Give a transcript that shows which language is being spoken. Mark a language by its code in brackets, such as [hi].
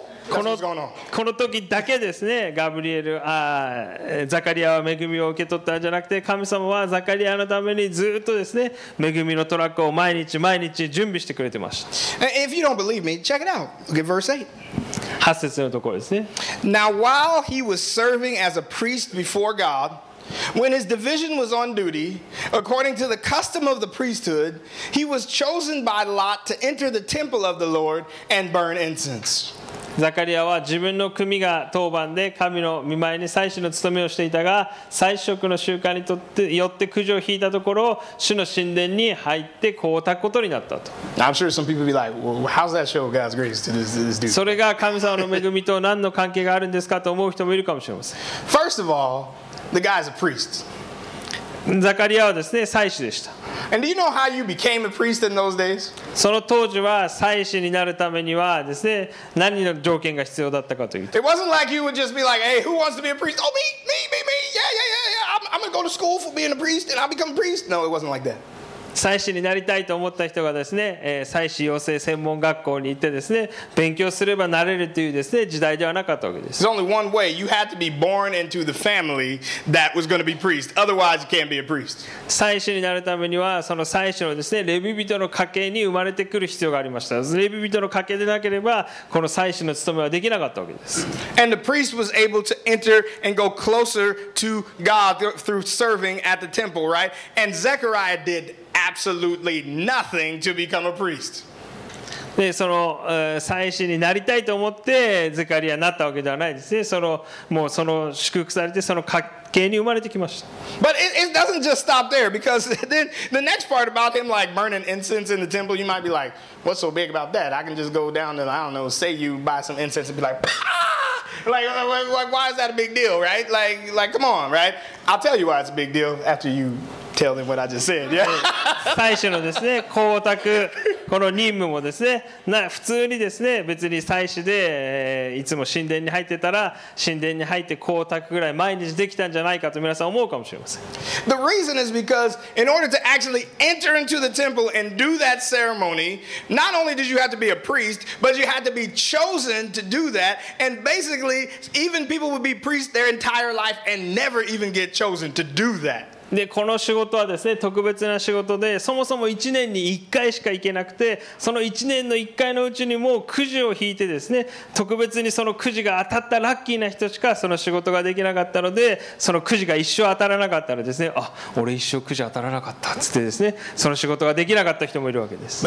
[ja] この時だけですね、ガブリエル、ザカリアは恵みを受け取ったんじゃなくて、神様はザカリアのためにずっとですね、恵みのトラックを毎日毎日準備してくれてました。 [en] If you don't believe me, check it out. Look at verse 8. [ja] 8節のところですね。 [en] Now while he was serving as a priest before God,When his division was on duty, according to the custom of the priesthood, he was chosen by lot to enter the temple of the Lord and burn incense. [ja] ザカリアは自分の組が当番で神の御前に祭司の務めをしていたが、祭職の習慣によってくじを引いたところ、主の神殿に入ってこうたことになったと。 [en] I'm sure some people be like, well, how's that show God's grace to this dude? [ja] それが神様の恵みと何の関係があるんですかと思う人もいるかもしれません。 [en] First of all, the guy's a priest. [ja] ザカリアはですね、祭司でした。 [en] And do you know how you became a priest in those days? [ja] その当時は祭司になるためにはですね、何の条件が必要だったかというと。 [en] It wasn't like you would just be like, hey, who wants to be a priest? Oh, me, yeah, I'm gonna go to school for being a priest and I'll become a priest. No, it wasn't like that. [ja] 祭司になりたいと思った人がですね、祭司養成専門学校に行ってですね、勉強すればなれるというですね、時代ではなかったわけです。 [en] There's only one way. You had to be born into the family that was going to be priest. Otherwise, you can't be a priest. [ja] 祭司になるためには、その祭司のですね、レビ人の家系に生まれてくる必要がありました。レビ人の家系でなければ、この祭司の務めはできなかったわけです。 [en] And the priest was able to enter and go closer to God through serving at the temple, right? And Zechariah did. Absolutely nothing to become a priest. [ja] で、その、祭司になりたいと思ってゼカリアになったわけではないですね。その、もうその祝福されてその家系に生まれてきました。 [en] But it doesn't just stop there because then the next part about him like burning incense in the temple, you might be like, what's so big about that? I can just go down and I don't know, say you buy some incense and be like, like why is that a big deal, right? Like come on, right? I'll tell you why it's a big deal after you. Tell them what I just said. Yeah. [ja] 最初のですね、光沢、この任務もですね、な普通にですね、別に祭司で、いつも神殿に入ってたら、神殿に入って光沢ぐらい毎日できたんじゃないかと皆さん思うかもしれません。 [en] The reason is because in order to actually enter into the temple and do that ceremony, not only did you have to be a priest, but you had to be chosen to do that. And basically, even people would be priests their entire life and never even get chosen to do that. [ja] でこの仕事はですね、特別な仕事で、そもそも1年に1回しか行けなくて、その1年の1回のうちにもうくじを引いてですね、特別にそのくじが当たったラッキーな人しかその仕事ができなかったので、そのくじが一生当たらなかったらですね、あ、俺一生くじ当たらなかったっつってですね、その仕事ができなかった人もいるわけです。